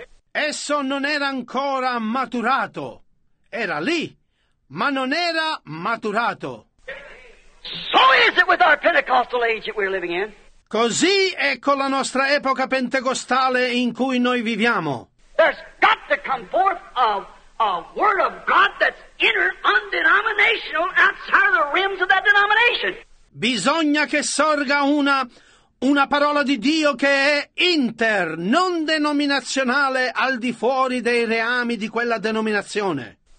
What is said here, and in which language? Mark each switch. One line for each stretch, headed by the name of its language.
Italian: esso non era ancora maturato. Era lì, ma non era maturato.
English: So is it with our Pentecostal age that we're living in.
Italian: Così è con la nostra epoca pentecostale in cui noi viviamo.
English: There's got to come forth a word of God that's inner, undenominational, outside of the rims of that denomination.
Italian: Bisogna che sorga una parola di Dio che è inter, non denominazionale, al di fuori dei reami di quella denominazione.